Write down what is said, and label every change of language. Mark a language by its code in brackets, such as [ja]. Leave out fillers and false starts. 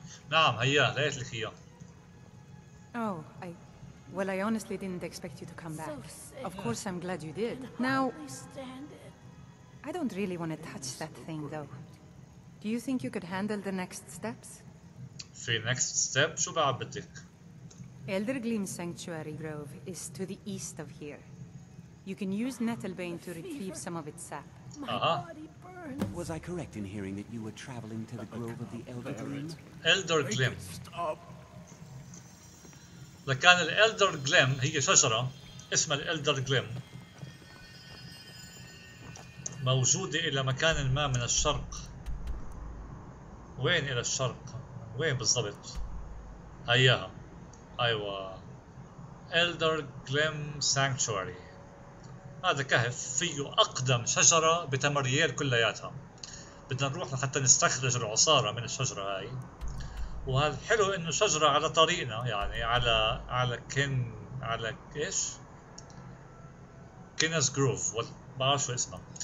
[ar] نعم هيا لقيت لك اياه. [en] Oh, I well I honestly didn't expect you to come back. Of course I'm glad you did. Now I don't really want to touch that thing though. Do you think you could handle the next steps? [ar] في [en] next step [ar] شو بعد بدك؟ [en] Elder Gleam Sanctuary Grove is to the east of here. You can use Nettlebane to retrieve some of its sap. My body burns. Was I correct in hearing that you were traveling to the grove of the Elder Gleam? Elder Gleam. Stop. [ar] لكان ال Elder Gleam هي شجرة اسمها ال Elder Gleam موجودة إلى مكان ما من الشرق. وين الى الشرق؟ وين بالضبط؟ هياها. ايوه Elder Glim Sanctuary. هذا كهف فيه اقدم شجره بتمرييل كلياتها. بدنا نروح لحتى نستخرج العصاره من الشجره هاي. وهذا حلو انه شجره على طريقنا، يعني على على كن على ايش؟ كينز جروف، ما بعرف شو اسمها.